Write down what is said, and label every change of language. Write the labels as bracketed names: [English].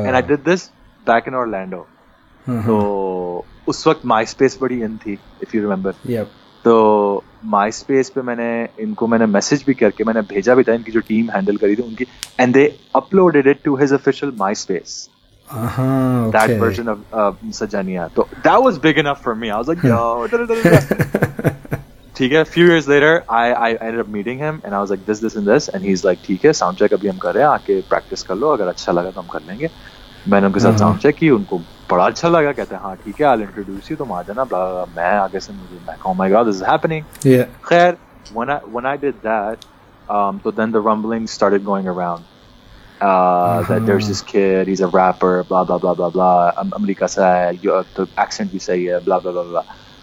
[English] And I did this back in Orlando. So [Hindi] उस वक्त MySpace बड़ी इन थी, [English] if you remember. Yep. [Hindi] तो MySpace पे मैंने इनको मैंने मैसेज भी करके मैंने भेजा भी था, इनकी जो टीम हैंडल करी थी उनकी, [English] and they uploaded it to his official MySpace. Uh-huh, okay. That version of Sajaniya. So that was big enough for me. I was like, yo. [Hindi] ठीक है. [English] Few years later, I ended up meeting him and I was like, this and this, and he's like, [Hindi] ठीक है, soundcheck अभी हम कर रहे हैं, आके practice कर लो, अगर अच्छा लगा तो हम कर लेंगे. मैंने उनके साथ soundcheck की, उनको बड़ा अच्छा लगा, कहते हैं हाँ ठीक है, [English] I'll introduce you, [Hindi] तुम आ जाना, [English] blah, blah, blah. [Hindi] मैं आगे से मुझे, मैं कहूँ, [English] oh my god, this is happening. Yeah. [Hindi] खैर, [English] when I did that, so then the rumbling started going around. that there's this kid, he's a rapper, blah blah blah blah blah. America said the accent you say, blah blah blah blah.